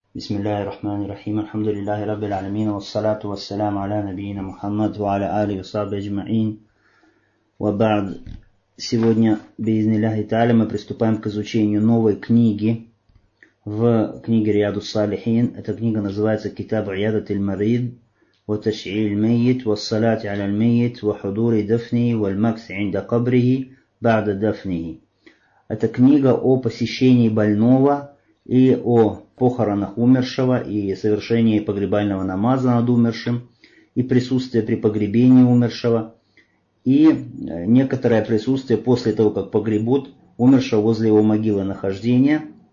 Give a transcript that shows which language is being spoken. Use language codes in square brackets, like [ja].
[ar] بسم الله الرحمن الرحيم، الحمد لله رب العالمين، والصلاة والسلام على نبينا محمد وعلى آله وصحبه أجمعين. وبعد، [ru] сегодня [ar] بإذن الله تعالى [ru] мы приступаем к изучению новой книги в книге رياض الصالحين. Эта книга называется [ar] كتاب عيادة المريض وتشعيع الميت والصلاة على الميت وحضور دفنه والمكث عند قبره بعد دفنه. [ru] Эта книга о посещении больного и о похоронах умершего, и совершении погребального намаза над умершим, и присутствие при погребении умершего, и некоторое присутствие после того, как погребут умершего возле его могилы нахождения.